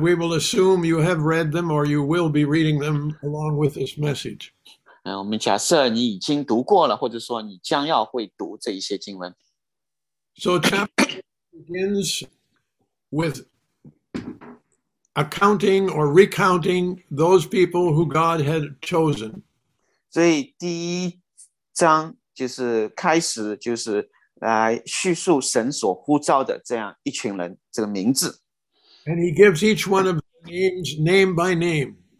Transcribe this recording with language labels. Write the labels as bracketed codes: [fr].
[en] we will assume you have read them or you will be reading them along with this message. [zh] 我们假设你已经读过了，或者说你将要会读这一些经文。So [en] chapter begins with accounting or recounting those people who God had chosen. [zh] 所以第一章就是开始就是 来叙述神所呼召的这样一群人，这个名字。And [en] he gives each one of the names name by name.